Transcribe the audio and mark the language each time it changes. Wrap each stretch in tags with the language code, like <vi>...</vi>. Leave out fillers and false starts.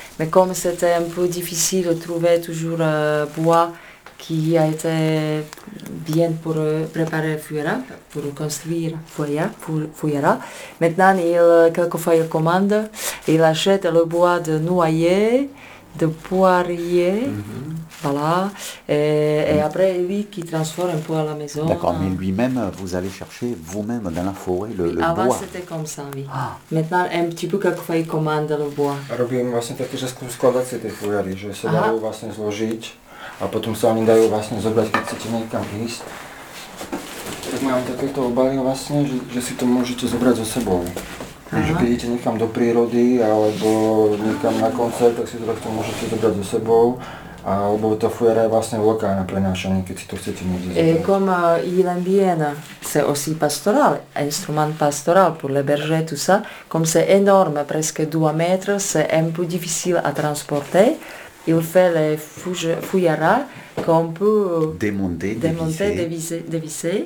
<fr>Mais comme c'était un peu difficile de trouver toujours le bois qui a été bien pour préparer le fuera, pour construire le fuera, maintenant, quelquefois, il commande, il achète le bois de noyer, de poirier, voilà. Et après, lui qui transforme un poids à la maison. D'accord, mais lui-même, vous allez chercher vous-même dans la forêt le avant, Avant, c'était comme ça, oui. Ah. Maintenant, un petit peu, quelquefois, il commande le bois.</fr> <sk>Robím vlastne také, že skladať si tie fujary, že sa dajú vlastne zložiť a potom sa oni dajú vlastne zobrať, keď chcete niekam ísť. Tak mám takéto obaly vlastne, že si to môžete zobrať so sebou. Takže keď idete niekam do prírody alebo niekam na koncert, tak si to takto môžete zobrať so sebou. Alebo tá fujara je vlastne lokálne prenášanie, keď si to chcete môcť zobrať.</sk> <fr>Comme il aime bien, c'est aussi pastoral, instrument pastoral pour les bergers, tout ça. Comme c'est énorme, presque 2 mètres, c'est un peu difficile à transporter. Il fait les fujara qu'on peut démonter, dévisser</fr>